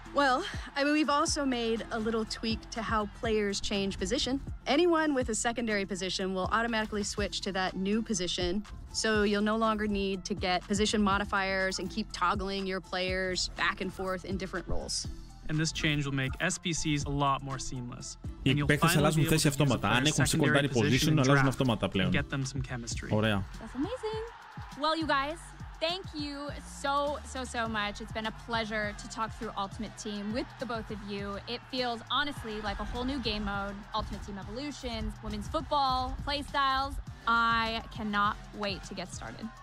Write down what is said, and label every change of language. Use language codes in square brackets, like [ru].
[en] Well, I mean, we've also made a little tweak to how players change position. Anyone with a secondary position will automatically switch to that new position, so you'll no longer need to get position modifiers and keep toggling your players back and forth in different roles. And this change will make SBCs a lot more seamless. [el] Οι παίκτες αλλάζουν θέση αυτόματα. Αν έχουν secondary position, αλλάζουν αυτόματα πλέον. [en] Get them some chemistry. [el] Ωραία. [en] That's amazing. Well, you guys, thank you so, so, so much. It's been a pleasure to talk through Ultimate Team with the both of you. It feels honestly like a whole new game mode. Ultimate Team Evolutions, women's football, play styles. I cannot wait to get started.